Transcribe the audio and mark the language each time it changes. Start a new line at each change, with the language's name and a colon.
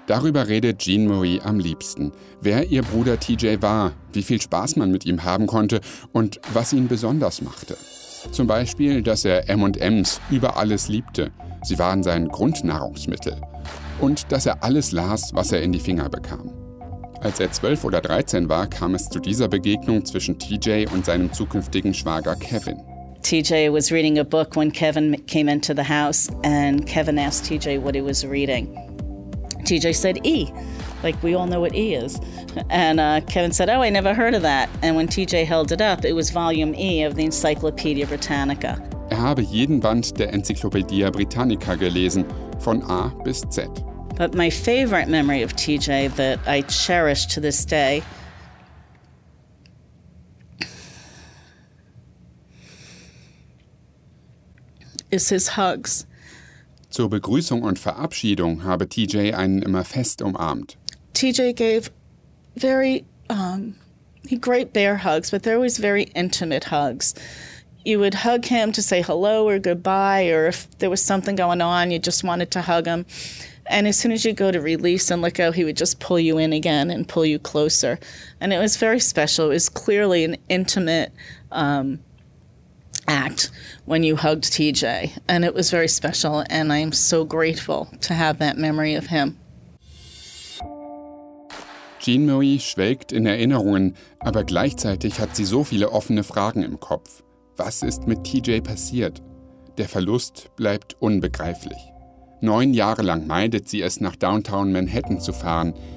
German: Darüber redet Jean Marie am liebsten. Wer ihr Bruder TJ war, wie viel Spaß man mit ihm haben konnte und was ihn besonders machte. Zum Beispiel, dass er M&Ms über alles liebte. Sie waren sein Grundnahrungsmittel. Und dass er alles las, was er in die Finger bekam. Als er 12 oder 13 war, kam es zu dieser Begegnung zwischen TJ und seinem zukünftigen Schwager Kevin.
English: TJ was reading a book when Kevin came into the house, and Kevin asked TJ what he was reading. TJ said, E, like we all know what E is. And Kevin said, oh, I never heard of that. And when TJ held it up, it was volume E of the Encyclopedia Britannica.
German: Er habe jeden Band der Enzyklopädie Britannica gelesen, von A bis Z.
English: But my favorite memory of TJ that I cherish to this day is his hugs.
German: Zur Begrüßung und Verabschiedung habe TJ einen immer fest umarmt.
English: TJ gave very, he great bear hugs, but they're always very intimate hugs. You would hug him to say hello or goodbye, or if there was something going on, you just wanted to hug him. And as soon as you go to release and let go, he would just pull you in again and pull you closer. And it was very special. It was clearly an intimate act when you hugged TJ. And it was very special. And I am so grateful to have that memory of him.
German: Jean Marie schwelgt in Erinnerungen, aber gleichzeitig hat sie so viele offene Fragen im Kopf. Was ist mit TJ passiert? Der Verlust bleibt unbegreiflich. 9 Jahre lang meidet sie es, nach Downtown Manhattan zu fahren.